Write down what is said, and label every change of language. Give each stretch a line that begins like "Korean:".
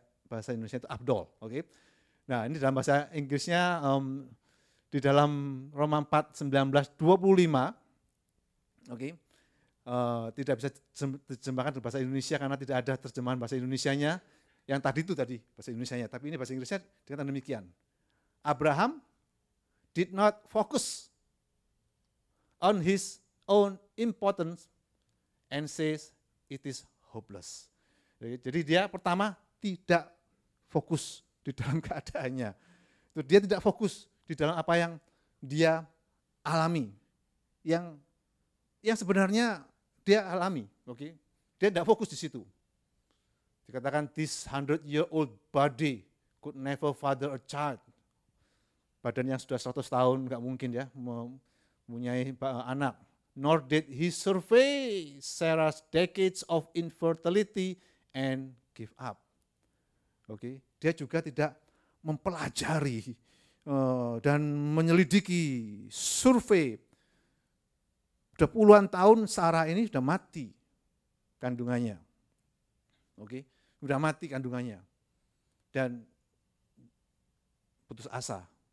Indonesian: bahasa Indonesia itu afdol, oke. Okay? Nah, ini dalam bahasa Inggrisnya di dalam Roma 4:19-25 Oke. Tidak bisa diterjemahkan bahasa Indonesia karena tidak ada terjemahan bahasa Indonesianya. Yang tadi itu tadi bahasa Indonesianya, tapi ini bahasa Inggrisnya dikatakan demikian.
English: Abraham did not focus on his own importance and says it is hopeless.
Indonesian: Jadi dia pertama tidak fokus di dalam keadaannya. Dia tidak fokus di dalam apa yang dia alami, yang sebenarnya dia alami. Okay? Dia tidak fokus di situ. Dikatakan
English: this 100-year-old body could never father a child.
Indonesian: Badan yang sudah 100 tahun enggak mungkin ya mempunyai anak.
English: Nor did he survey Sarah's decades of infertility and give up.
Indonesian: Oke, dia juga tidak mempelajari dan menyelidiki survei sudah puluhan tahun Sarah ini sudah mati kandungannya. Oke, sudah mati kandungannya dan putus asa.